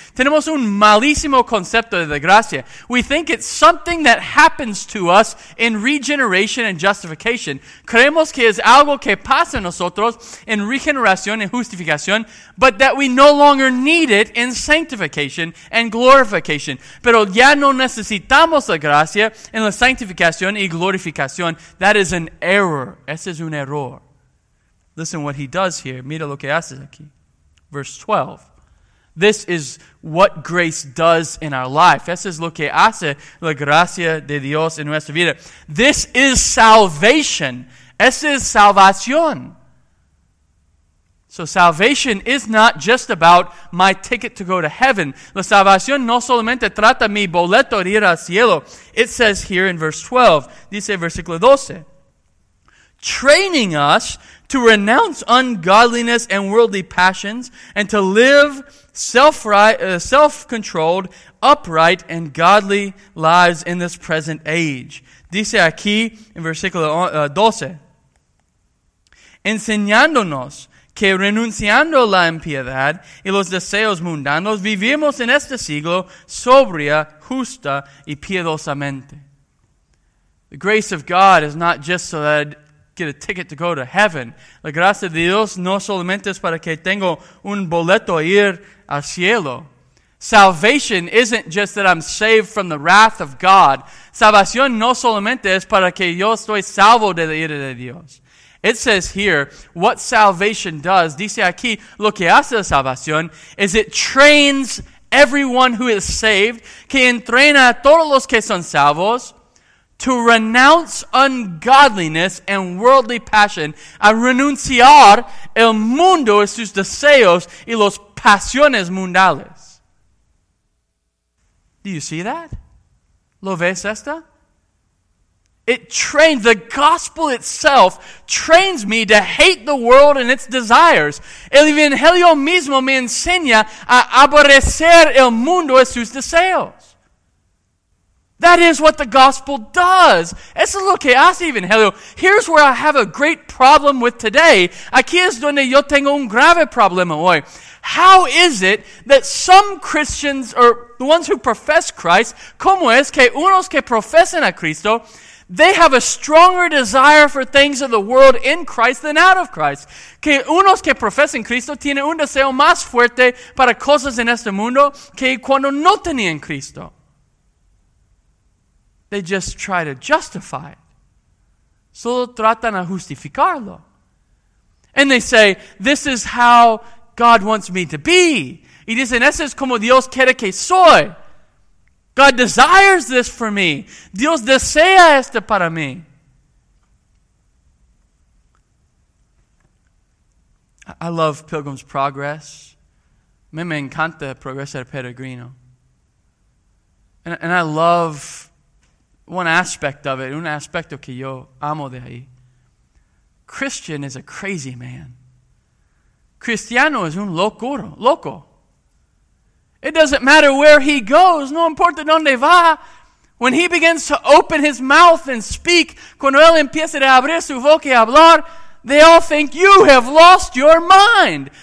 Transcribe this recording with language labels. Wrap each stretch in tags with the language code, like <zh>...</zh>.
<es>Tenemos un malísimo concepto de gracia.</es> <en>We think it's something that happens to us in regeneration and justification.</en> <es>Creemos que es algo que pasa en nosotros en regeneración y justificación,</es> <en>but that we no longer need it in sanctification and glorification.</en> <es>Pero ya no necesitamos la gracia en la santificación y glorificación.</es> <en>That is an error.</en> <es>Ese es un error.</es> <en>Listen what he does here.</en> <es>Mira lo que hace aquí.</es> <en>Verse 12. This is what grace does in our life.</en> <es>Eso es lo que hace la gracia de Dios en nuestra vida.</es> <en>This is salvation.</en> <es>Eso es salvación.</es> <en>So salvation is not just about my ticket to go to heaven.</en> <es>La salvación no solamente trata mi boleto de ir al cielo.</es> <en>It says here in verse 12.</en> <es>Dice versículo 12.</es> <en>Training us to renounce ungodliness and worldly passions and to live self-controlled, upright, and godly lives in this present age.</en> <es>Dice aquí en versículo 12. Enseñándonos que renunciando la impiedad y los deseos mundanos vivimos en este siglo sobria, justa, y piedosamente.</es> <en>The grace of God is not just so that get a ticket to go to heaven.</en> <es>La gracia de Dios no solamente es para que tengo un boleto a ir al cielo.</es> <en>Salvation isn't just that I'm saved from the wrath of God.</en> <es>Salvación no solamente es para que yo estoy salvo de la ira de Dios.</es> <en>It says here, what salvation does,</en> <es>dice aquí, lo que hace la salvación,</es> <en>is it trains everyone who is saved,</en> <es>que entrena a todos los que son salvos,</es> <en>to renounce ungodliness and worldly passion,</en> <es>a renunciar el mundo y sus deseos y los pasiones mundales.</es> <en>Do you see that?</en> <es>¿Lo ves esta?</es> <en>It trains, the gospel itself trains me to hate the world and its desires.</en> <es>El evangelio mismo me enseña a aborrecer el mundo y sus deseos.</es> <en>That is what the gospel does.</en> <es>Eso es lo que hace el evangelio.</es> <en>Here's where I have a great problem with today.</en> <es>Aquí es donde yo tengo un grave problema hoy.</es> <en>How is it that some Christians, or the ones who profess Christ,</en> <es>como es que unos que profesan a Cristo,</es> <en>they have a stronger desire for things of the world in Christ than out of Christ?</en> <es>Que unos que profesan Cristo tienen un deseo más fuerte para cosas en este mundo que cuando no tenían Cristo.</es> <en>They just try to justify it.</en> <es>Solo tratan a justificarlo.</es> <en>And they say, this is how God wants me to be.</en> <es>Y dicen, eso es como Dios quiere que soy.</es> <en>God desires this for me.</en> <es>Dios desea esto para mí.</es> <en>I love Pilgrim's Progress.</en> <es>Me encanta Progreso Peregrino.</es> <en>And I love one aspect of it,</en> <es>un aspecto que yo amo de ahí.</es> <en>Christian is a crazy man.</en> <es>Cristiano es un locuro, loco.</es> <en>It doesn't matter where he goes,</en> <es>no importa dónde va.</es> <en>When he begins to open his mouth and speak,</en> <es>cuando él empieza a abrir su boca y hablar,</es> <en>they all think you have lost your mind.</en>